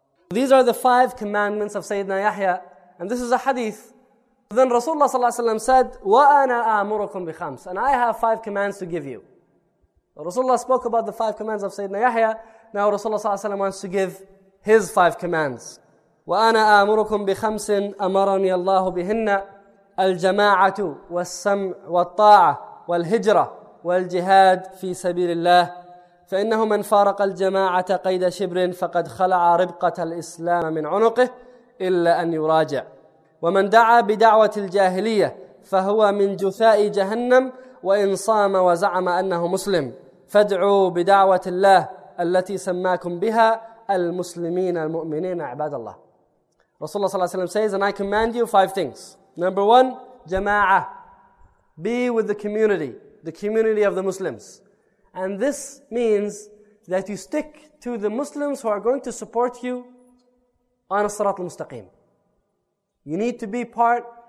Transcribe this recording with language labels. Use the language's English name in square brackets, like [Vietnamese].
[English] These are the five commandments of Sayyidina Yahya. And this is a hadith. Then Rasulullah sallallahu alayhi wa sallam said, [Arabic] وَأَنَا أَعْمُرُكُمْ بِخَمْسِ. [English] And I have five commands to give you. Rasulullah spoke about the five commands of Sayyidina Yahya. Now Rasulullah sallallahu alayhi wa sallam wants to give his five commands. [Arabic] وَأَنَا أَعْمُرُكُمْ بِخَمْسٍ أَمَرَنِيَ اللَّهُ بِهِنَّ الْجَمَاعَةُ وَالسَّمْعُ وَالطَّاعَةُ وَالْهِجْرَةُ وَالْجِهَادُ فِي سَبِيلِ اللَّهِ فإنه من فارق الجماعة قيد شبر فقد خلع ربقة الإسلام من عنقه إلا أن يراجع ومن دعا بدعوة الجاهلية فهو من جثاء جهنم وإن صام وزعم أنه مسلم فادعوا بدعوة الله التي سماكم بها المسلمين المؤمنين عباد الله. رسول الله صلى الله عليه وسلم [English] says, and I command you five things. Number one, جماعة. Be with the community of the Muslims. And this means that you stick to the Muslims who are going to support you on as-sirat al-mustaqim. You need to be part